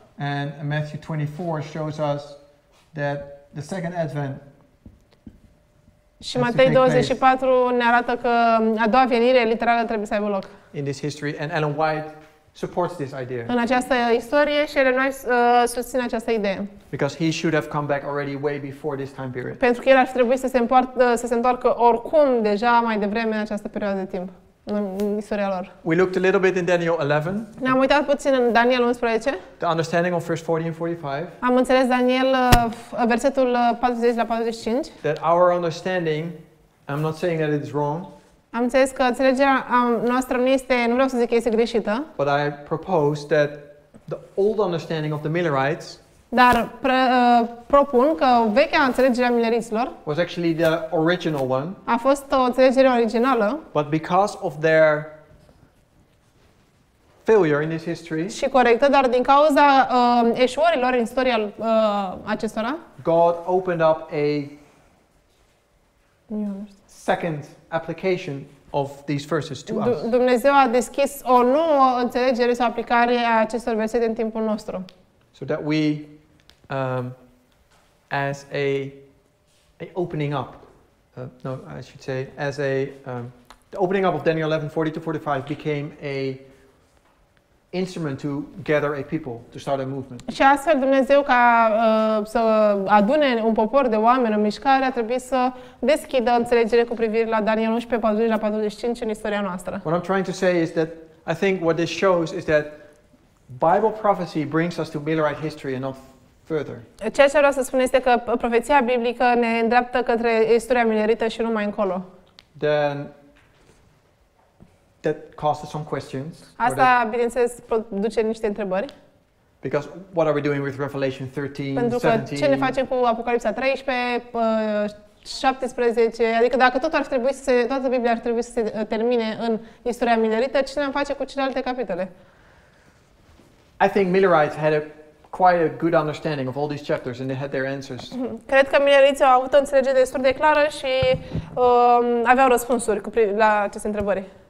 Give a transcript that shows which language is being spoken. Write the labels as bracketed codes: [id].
[en] And Matthew 24 shows us that the second advent. [ro] Și Matei 24 ne arată că a doua venire literală trebuie să aibă loc. [en] In this history, and Ellen White supports this idea. [ro] În această istorie, și Ellen White susține această idee. [en] Because he should have come back already way before this time period. [ro] Pentru că el ar trebui să se întoarcă oricum deja mai devreme în această perioadă de timp. în istoria lor. [en] We looked a little bit in Daniel 11. [ro] Ne-am uitat puțin în Daniel 11. [en] The understanding of verse 40 and 45. [ro] Am înțeles Daniel versetul 40 la 45. [en] That our understanding, I'm not saying that it is wrong. [ro] Am înțeles că înțelegerea noastră nu este, nu vreau să zic că este greșită. [en] But I propose that the old understanding of the Millerites. [ro] Dar propun că vechea înțelegere a mileriților [en] was actually the original one. [ro] A fost o înțelegere originală. [en] But because of their failure in this history. [ro] Și corectă, dar din cauza eșuărilor în istoria acestora. [en] God opened up a second application of these verses to us. [ro] Dumnezeu a deschis o nouă înțelegere sau aplicare a acestor versete în timpul nostru. [en] So that we as a opening up, no, I should say, as a the opening up of Daniel 11:40-45 became a instrument to gather a people to start a movement. [ro] Și astfel Dumnezeu ca să adune un popor de oameni în mișcare a trebuit să deschidă înțelegere cu privire la Daniel 11:40-45 în istoria noastră. [en] What I'm trying to say is that I think what this shows is that Bible prophecy brings us to Millerite history and not further. [ro] Ceea ce vreau să spun este că profeția biblică ne îndreaptă către istoria minerită și nu mai încolo. [en] Then that causes some questions. [ro] Asta, bineînțeles, produce niște întrebări. [en] Because what are we doing with Revelation 13, 17? [ro] Pentru că ce ne facem cu Apocalipsa 13, 17? Adică dacă tot ar trebui să se, toată Biblia ar trebui să se termine în istoria minerită, ce ne face cu celelalte capitole? [en] I think Millerites had a quite a good understanding of all these chapters and they had their answers. [ro] Cred că mileriții au avut o înțelegere destul de clară și aveau răspunsuri cu la aceste întrebări.